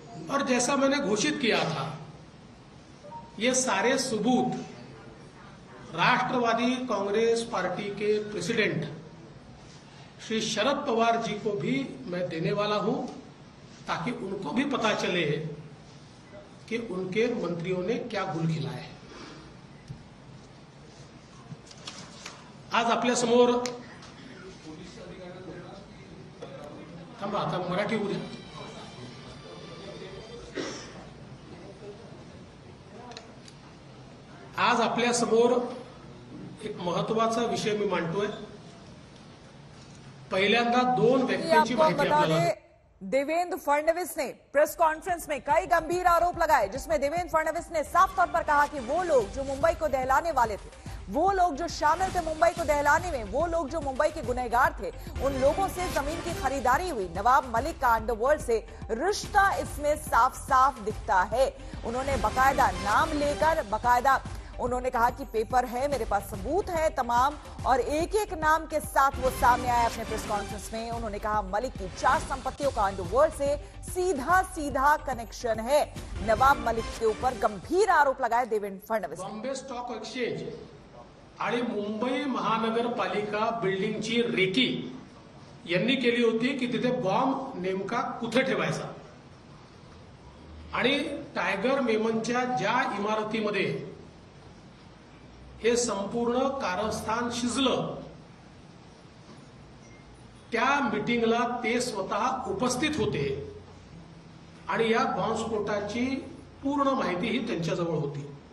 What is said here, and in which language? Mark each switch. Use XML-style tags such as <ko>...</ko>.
<hi>और जैसा मैंने घोषित किया था, ये सारे सबूत राष्ट्रवादी कांग्रेस पार्टी के प्रेसिडेंट श्री शरद पवार जी को भी मैं देने वाला हूं, ताकि उनको भी पता चले कि उनके मंत्रियों ने क्या गुल खिलाए।</hi> <mr>आज अपने समोर थम आता मराठी उद्या आज अपने समोर एक महत्वाचा विषय मी मांडतोय। पहिल्यांदा 2 व्यक्तींची माहिती आपल्याला।</mr> <hi>देवेंद्र फडणवीस ने प्रेस कॉन्फ्रेंस में कई गंभीर आरोप लगाए, जिसमें देवेंद्र फडणवीस ने साफ तौर पर कहा कि वो लोग जो मुंबई को दहलाने वाले थे, वो लोग जो शामिल थे मुंबई को दहलाने में, वो लोग जो मुंबई के गुनहगार थे, उन लोगों से जमीन की खरीदारी हुई, नवाब मलिक का अंडरवर्ल्ड से रिश्ता इसमें साफ साफ दिखता है। उन्होंने बाकायदा नाम लेकर, बाकायदा उन्होंने कहा कि पेपर है मेरे पास, सबूत है तमाम, और एक एक नाम के साथ वो सामने आए अपने प्रेस कॉन्फ्रेंस में। उन्होंने कहा मलिक की 4 संपत्तियों का अंडरवर्ल्ड से सीधा सीधा कनेक्शन है। नवाब मलिक के ऊपर गंभीर आरोप लगाए देवेंद्र फडणवीस।</hi> <mr>बॉम्बे स्टॉक एक्सचेंज आणि मुंबई महानगर पालिका बिल्डिंग ची रेकी यांनी केली होती की तिथे बॉम्ब नेमका कुठे ठेवायचा, आणि टायगर मेमनच्या ज्या इमारतीमध्ये हे संपूर्ण कारस्थान शिजलं, त्या मीटिंगला ते स्वतः उपस्थित होते, आणि या बॉम्बस्फोटाची पूर्ण माहिती ही त्यांच्याजवळ होती।</mr>